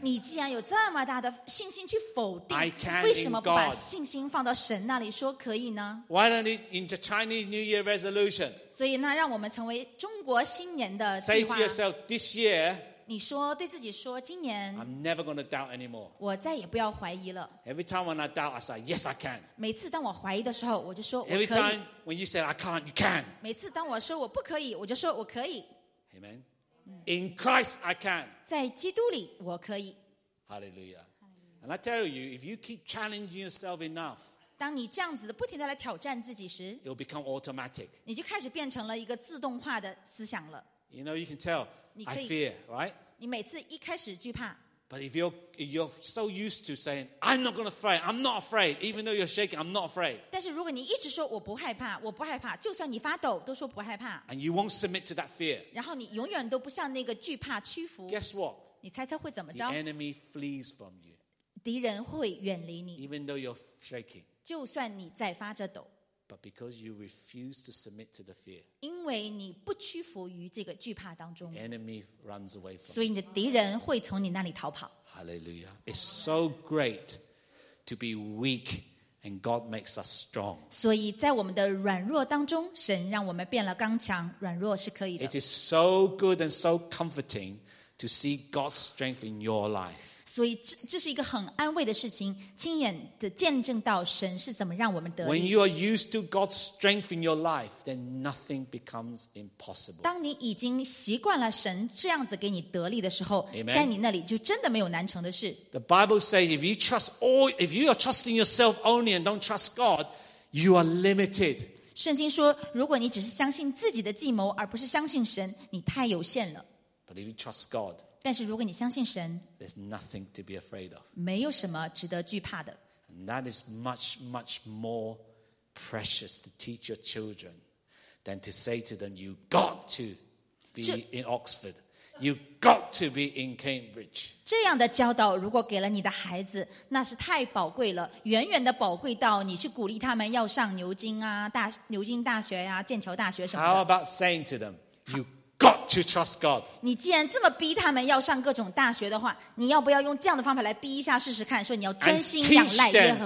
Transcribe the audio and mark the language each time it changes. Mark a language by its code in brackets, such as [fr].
[zh] 你既然有这么大的信心去否定 [en] ，I can, [zh] 为什么不把信心放到神那里说可以呢 [en] ？Why don't you in the Chinese New Year resolution? [zh] 所以呢，让我们成为中国新年的计划。 [en] Say to yourself this year. [zh] 你说对自己说今年 [en] I'm never going to doubt anymore. [zh] 我再也不要怀疑了。 [en] Every time when I doubt, I say, yes, I can. [zh] 每次当我怀疑的时候我就说我可以。 [en] Every time when you say, I can't, you can. [zh] 每次当我说我不可以我就说我可以。 [en] Amen. In Christ, I can. [zh] 在基督里我可以。 [en] Hallelujah. And I tell you, if you keep challenging yourself enough, [zh] 当你这样子不停地来挑战自己时 [en] it will become automatic. [zh] 你就开始变成了一个自动化的思想了。 [en] You know, you can tell, I fear, right? [zh] 你每次一开始惧怕。 [en] But if you're so used to saying, I'm not going to fight, I'm not afraid, even though you're shaking, I'm not afraid. [zh] 但是如果你一直说我不害怕，我不害怕，就算你发抖都说不害怕。 [en] And you won't submit to that fear. [zh] 然后你永远都不向那个惧怕屈服。 [en] Guess what? [zh] 你猜猜会怎么着？ [en] The enemy flees from you. [zh] 敌人会远离你。 [en] Even though you're shaking. [zh] 就算你在发着抖。 [en] But because you refuse to submit to the fear, [zh] 因为你不屈服于这个惧怕当中 [en] the enemy runs away from you. [zh] 所以你的敌人会从你那里逃跑。 [en] Hallelujah. It's so great to be weak and God makes us strong. [zh] 所以在我们的软弱当中神让我们变了刚强软弱是可以的。 [en] It is so good and so comforting to see God's strength in your life. [zh] 所以这是一个很安慰的事情亲眼的见证到神是怎么让我们得力。 [en] When you are used to God's strength in your life, then nothing becomes impossible. [zh] 当你已经习惯了神这样子给你得力的时候 [en] Amen. [zh] 在你那里就真的没有难成的事。 [en] The Bible says if you are trusting yourself only and don't trust God, you are limited. [zh] 圣经说如果你只是相信自己的计谋而不是相信神你太有限了。 [en] But if you trust God, [zh] 但是如果你相信神 [en] there's nothing to be afraid of. [zh] 没有什么值得惧怕的。 [en] And that is much, much more precious to teach your children than to say to them, you got to be in Oxford. You got to be in Cambridge. [zh] 这样的教导如果给了你的孩子那是太宝贵了远远的宝贵到你去鼓励他们要上牛津大学啊剑桥大学什么的。 [en] How about saying to them, you got to trust God. [zh] 你既然这么逼他们要上各种大学的话你要不要用这样的方法来逼一下试试看说你要专心仰赖耶和华